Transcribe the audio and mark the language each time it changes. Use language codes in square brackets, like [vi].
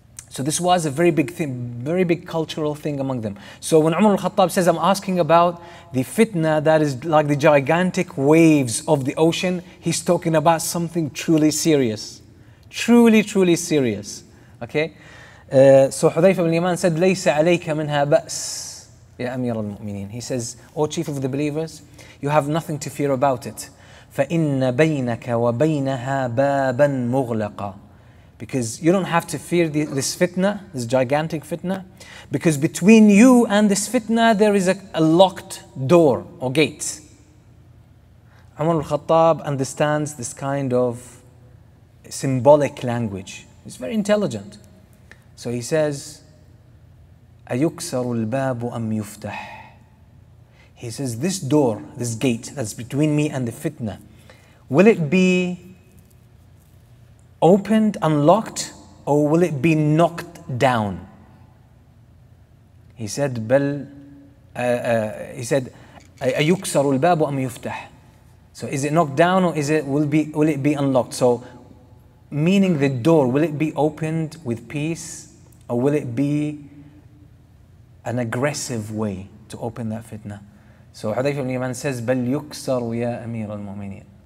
[en] So this was a very big thing, very big cultural thing among them. So when Umar al-Khattab says, I'm asking about the fitna that is like the gigantic waves of the ocean, he's talking about something truly serious. Truly, truly serious. Okay? So Hudhaifa ibn Yaman said, [ar] لَيْسَ عَلَيْكَ مِنْهَا بَأْسٍ يَا أَمِيرَ الْمُؤْمِنِينَ. [en] He says, O chief of the believers, you have nothing to fear about it. [ar] فَإِنَّ بَيْنَكَ وَبَيْنَهَا بَابًا مُغْلَقًا. [en] Because you don't have to fear this fitna, this gigantic fitna, because between you and this fitna, there is a locked door or gate. Umar al-Khattab understands this kind of symbolic language. He's very intelligent. So he says, [ar] أَيُكْسَرُ الْبَابُ أَمْ يُفْتَحْ. [en] He says, this door, this gate that's between me and the fitna, will it be opened, unlocked, or will it be knocked down? He said, [ar] أَيُكْسَرُ الْبَابُ أَمْ يُفْتَحْ. [en] So is it knocked down or will it be unlocked? So meaning the door, will it be opened with peace or will it be an aggressive way to open that fitna? So Hudhaifa ibn Yaman says, [ar] بَلْ يُكْسَرُ يَا أَمِيرَ الْمُؤْمِنِينَ.